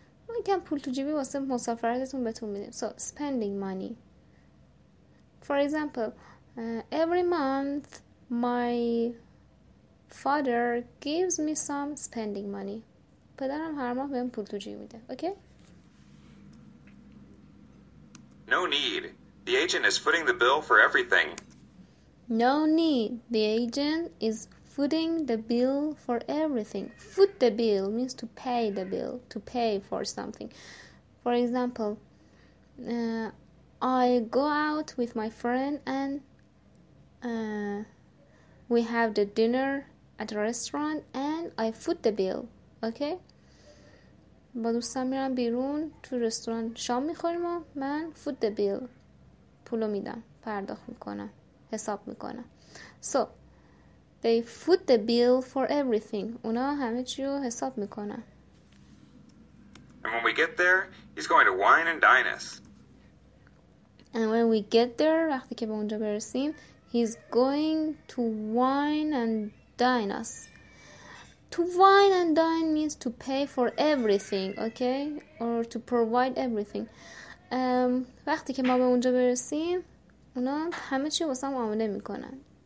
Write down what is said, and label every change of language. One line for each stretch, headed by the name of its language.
Persian: ما یکم پول تو جیبی واسه مسافرتتون بهتون میدیم.
English: So, spending money. For example, every month my father gives me some spending money.
Persian: پدرم هر ماه بهم پول تو جیبی میده.
English: Okay? No need. The agent is footing the bill for everything. No need. The agent is footing the bill for everything. Foot the bill means to pay the bill, to pay for something. For example, I go out with my friend and we have the dinner at a restaurant and I foot the bill. Okay?
Persian: با دوستم میرم بیرون تو رستوران شام میخوریم و من foot the bill پولو میدم پرداخت میکنم حساب میکنم.
English: So they foot the bill for everything.
Persian: اونا همه چی رو حساب میکنن.
English: And when we get there, he's going to wine and dine us. And when we get there,
Persian: وقتی که به اونجا برسیم,
English: he's going to wine and dine us. To wine and dine means to pay for everything, okay? Or to provide everything.
Persian: وقتی که ما به اونجا برسیم, اونا همه چی واسه ما آماده میکنن.